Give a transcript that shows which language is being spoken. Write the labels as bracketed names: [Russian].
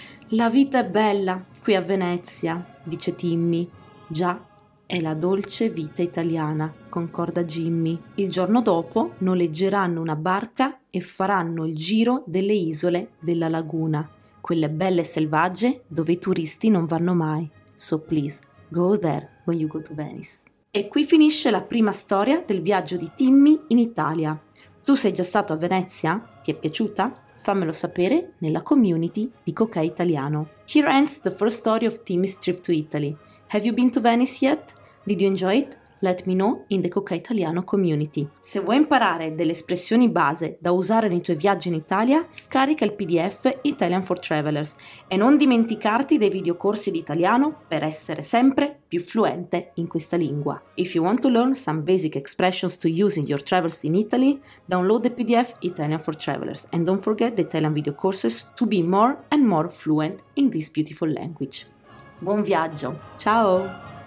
[Italian] «La vita è bella qui a Venezia», dice Timmy. «Già, è la dolce vita italiana», concorda Jimmy. Il giorno dopo noleggeranno una barca e faranno il giro delle isole della laguna, quelle belle e selvagge dove i turisti non vanno mai. [English] So please, go there when you go to Venice. [Italian] E qui finisce la prima storia del viaggio di Timmy in Italia. Tu sei già stato a Venezia? Ti è piaciuta? Fammelo sapere nella community di Cocà Italiano. [English] Here ends the first story of Timmy's trip to Italy. Have you been to Venice yet? Did you enjoy it? Let me know in the Cocà Italiano community. [Italian] Se vuoi imparare delle espressioni base da usare nei tuoi viaggi in Italia, scarica il PDF Italian for Travelers e non dimenticarti dei videocorsi di italiano per essere sempre più fluente in questa lingua. [English] If you want to learn some basic expressions to use in your travels in Italy, download the PDF Italian for Travelers and don't forget the Italian video courses to be more and more fluent in this beautiful language. [Italian] Buon viaggio! Ciao!